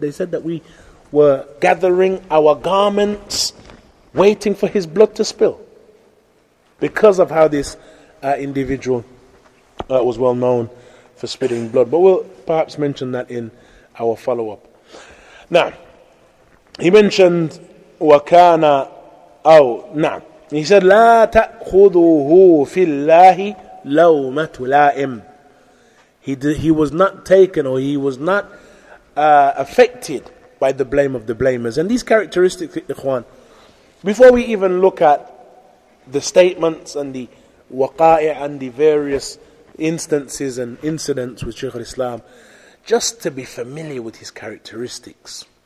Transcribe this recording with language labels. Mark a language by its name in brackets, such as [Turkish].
[English] They said that we were gathering our garments, waiting for his blood to spill, because of how this individual was well known for spitting blood. But we'll perhaps mention that in our follow-up. Now, he mentioned, [Arabic] وَكَانَ أَوْ نَعْمْ. [English] He said, [Arabic] لَا تَأْخُذُهُ فِي اللَّهِ لَوْمَةُ لَائِمْ. [English] He was not taken, or he was not affected by the blame of the blamers. And these characteristics, ikhwan, before we even look at the statements and the waqa'i and the various instances and incidents with Shaykh al-Islam, just to be familiar with his characteristics.